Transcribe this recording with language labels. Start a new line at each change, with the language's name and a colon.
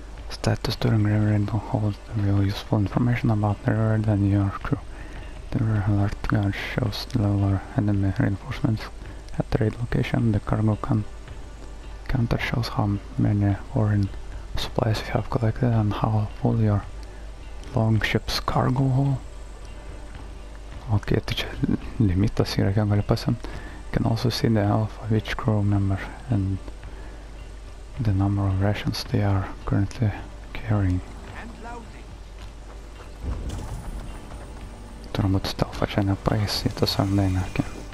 English: Status during river raid will hold real useful information about the river and your crew. The river alert guard shows the level of enemy reinforcements at the raid location. The cargo counter shows how many foreign supplies you have collected and how full your longship's cargo hold.
Lithuanian: Okay, tai čia limitas yra, kiek gali pasiimt.
English: You can also see the health of each crew member and the number of rations they are currently carrying.
Lithuanian: Turbūt stealth'ą čia nepraeis, jį tiesiog neįmerkė.